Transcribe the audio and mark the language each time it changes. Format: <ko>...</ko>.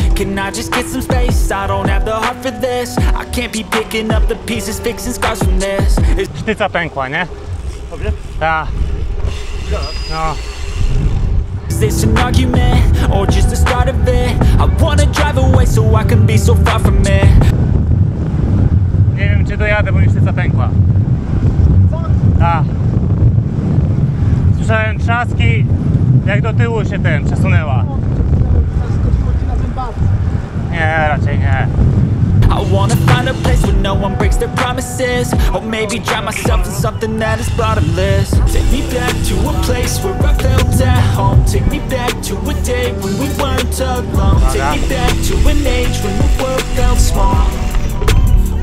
<en>Can I just get some space? I don't have the heart for this. I can't be picking up the pieces, fixing scars from this.</en> <pl>Sztyca pękła, nie? Dobrze? Tak. No.</pl> <en>Is this an argument or just the start of it? I wanna drive away so I can be so far from it.</en> <pl>Nie wiem, czy dojadę, bo mi sztyca pękła. Co? Tak. Słyszałem trzaski. Jak do tyłu się ten przesunęła? Nie, raczej nie.</pl> <en>I wanna find a place where no one breaks their promises. Or maybe drown myself in something that is bottomless. Take me back to a place where I felt at home. Take me back to a day when we weren't alone. Take me back to an age when the world felt small.</en>